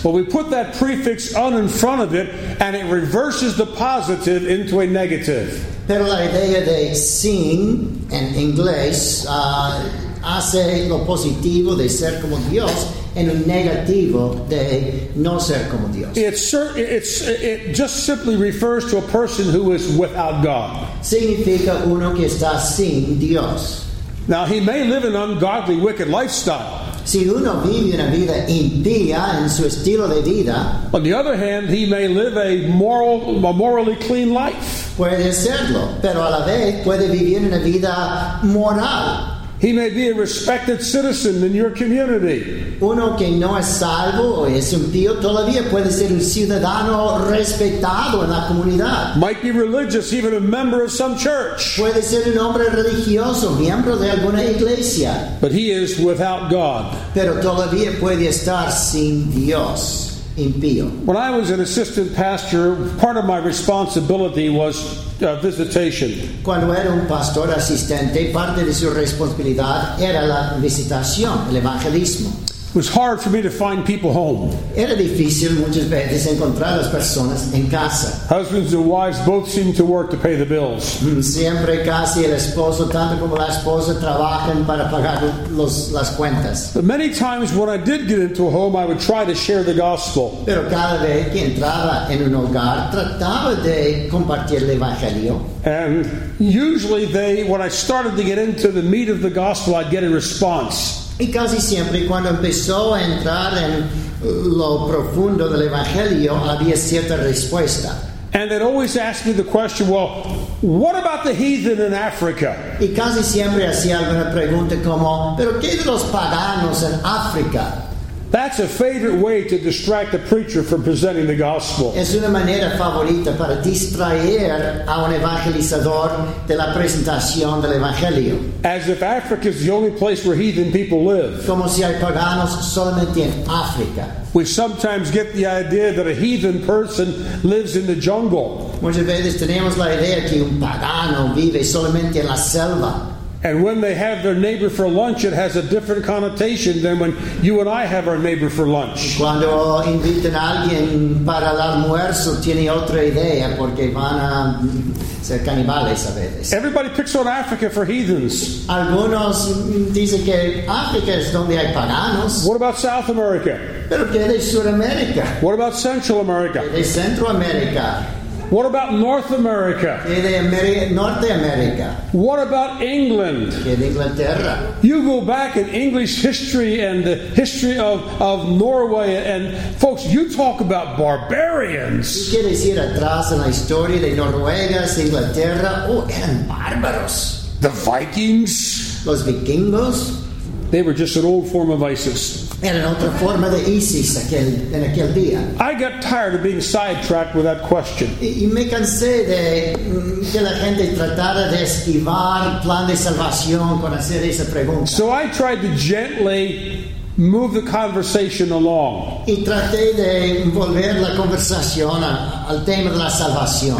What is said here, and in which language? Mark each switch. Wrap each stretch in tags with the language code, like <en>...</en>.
<en>But we put that prefix "un" in front of it, and it reverses the positive into a negative.</en> <es>Pero la idea de sin en inglés hace lo positivo de ser como Dios. En un negativo de no ser como Dios.</es> <en>It just simply refers to a person who is without God.</en> <es>Significa uno que está sin Dios.</es> <en>Now he may live an ungodly, wicked lifestyle.</en> <es>Si uno vive una vida impía en su estilo de vida.</es> <en>On the other hand, he may live a morally clean life.</en> <es>Puede serlo, pero a la vez puede vivir una vida moral.</es> <en>He may be a respected citizen in your community.</en> <es>Uno que no es salvo o es un tío todavía puede ser un ciudadano respetado en la comunidad.</es> <en>Might be religious, even a member of some church.</en> <es>Puede ser un hombre religioso, miembro de alguna iglesia.</es> <en>But he is without God.</en> <es>Pero todavía puede estar sin Dios.</es> <en>When I was an assistant pastor, part of my responsibility was visitation.</en> <es>Cuando era un pastor asistente, parte de su responsabilidad era la visitación, el evangelismo.</es> <en>It was hard for me to find people home.</en> <es>Era difícil muchas veces encontrar las personas en casa.</es> <en>Husbands and wives both seem to work to pay the bills.</en> <es>Siempre casi el esposo tanto como la esposa trabajan para pagar las cuentas.</es> <en>But many times when I did get into a home, I would try to share the gospel.</en> <es>Pero cada vez que entraba en un hogar, trataba de compartir el evangelio.</es> <en>And usually when I started to get into the meat of the gospel, I'd get a response.</en> <es>Y casi siempre cuando empezó a entrar en lo profundo del evangelio había cierta respuesta.</es> <en>And they'd always ask me the question, well, what about the heathen in Africa?</en> <es>Y casi siempre hacía alguna pregunta como, ¿pero qué de los paganos en África?</es> <en>That's a favorite way to distract the preacher from presenting the gospel.</en> <es>Es una manera favorita para distraer a un evangelizador de la presentación del evangelio.</es> <en>As if Africa is the only place where heathen people live.</en> <es>Como si hay paganos solamente en África.</es> <en>We sometimes get the idea that a heathen person lives in the jungle.</en> <es>Muchas veces tenemos la idea que un pagano vive solamente en la selva.</es> <en>And when they have their neighbor for lunch, it has a different connotation than when you and I have our neighbor for lunch.</en> <es>Cuando invitan a alguien para el almuerzo, tiene otra idea porque van a ser canibales a veces.</es> <en>Everybody picks on Africa for heathens.</en> <es>Algunos dicen que África es donde hay paganos.</es> <en>What about South America?</en> <es>Pero qué de Sudamérica?</es> <en>What about Central America?</en> <es>De Centroamérica.</es> <en>What about North America?</en> <es>Norteamérica.</es> <en>What about England?</en> <es>Inglaterra.</es> <en>You go back in English history and the history of Norway, and folks, you talk about barbarians.</en> <es>¿Quieres ir atrás en la historia de Noruega, Inglaterra? Oh, eran bárbaros.</es> <en>The Vikings.</en> <es>Los vikingos.</es> <en>They were just an old form of ISIS.</en> <es>Era otra forma de ISIS en aquel día.</es> <en>I got tired of being sidetracked with that question.</en> <es>Y me cansé de que la gente tratara de esquivar el plan de salvación con hacer esa pregunta.</es> <en>So I tried to gently move the conversation along.</en> <es>Y traté de envolver la conversación al tema de la salvación.</es>